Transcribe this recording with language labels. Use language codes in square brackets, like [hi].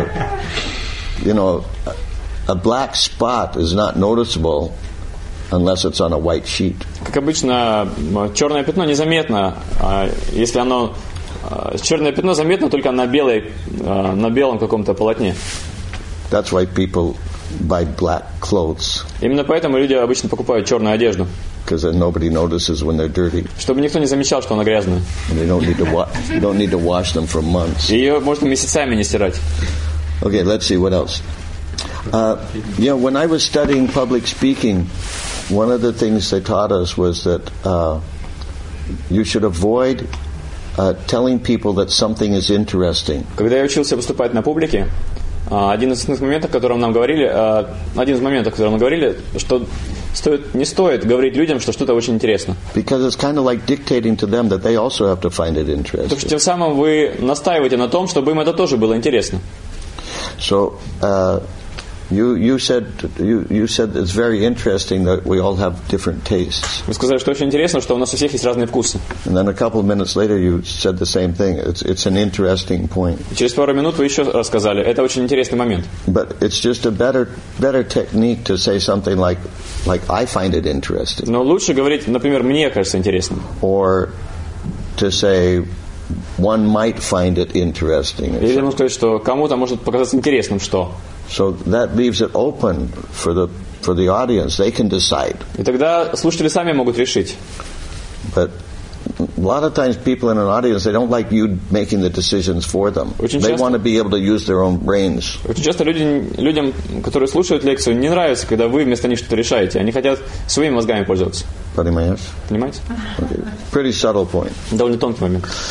[en] Just like a black spot is not noticeable unless it's on a white sheet. [ru] Как обычно, черное пятно незаметно, если оно... Черное пятно заметно только на белом каком-то полотне. [en] That's why people buy black clothes. [ru] Именно поэтому люди обычно покупают черную одежду. [en] Because nobody notices when they're dirty. [ru] Чтобы никто не замечал, что она грязная. [en] And you don't need to wash them for months. [ru] Ее можно месяцами не стирать. [en] Okay, let's see what else. When I was studying public speaking, one of the things they taught us was that you should avoid telling people that something is interesting. [ru] Когда я учился выступать на публике, один из основных моментов, о котором нам говорили, что не стоит говорить людям, что что-то очень интересно. [en] Because it's kind of like dictating to them that they also have to find it interesting. [ru] То есть тем самым вы настаиваете на том, чтобы им это тоже было интересно. [en] So you said it's very interesting that we all have different tastes. [ru] Вы сказали, что очень интересно, что у нас у всех есть разные вкусы. [en] And then a couple of minutes later you said the same thing. It's an interesting point. [ru] Через пару минут вы еще раз сказали, это очень интересный момент. [en] But it's just a better technique to say something like I find it interesting. [ru] Но лучше говорить, например, мне кажется интересным. [en] Or to say one might find it interesting. [ru] Или можно сказать, что кому-то может показаться интересным, что... [en] So that leaves it open for the audience. They can decide. [ru] И тогда слушатели сами могут решить. [en] But a lot of times people in an audience, they don't like you making the decisions for them. They want to be able to use their own brains. [ru] Очень часто людям, которые слушают лекцию, не нравится, когда вы вместо них что-то решаете. Они хотят своими мозгами пользоваться. Понимаете? [en] Okay. Pretty subtle point. [ru] Довольно тонкий момент.